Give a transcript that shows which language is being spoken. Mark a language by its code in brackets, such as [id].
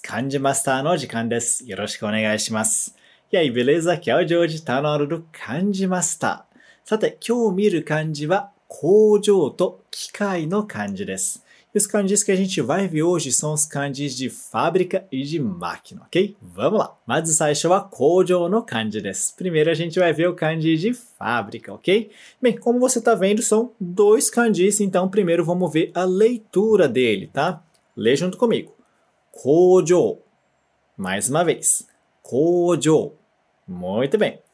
[ja] 漢字マスターの時間です。よろしくお願いします。いやい、ベレーザー、キャオジョージ、タノールル、漢字マスター。さて、今日見る漢字は、工場と機械の漢字です。 [pt] Esse kanji que a gente vai ver hoje são os kanjis de fábrica e de máquina, ok? Vamos lá! Mas o [ja] 最初は工場の漢字です。 [pt] Primeiro a gente vai ver o kanji de fábrica, ok? Bem, como você está vendo, são dois kanjis, então primeiro vamos ver a leitura dele, tá? Lê junto comigo. 工場.Mais uma vez. 工場.Muito bem.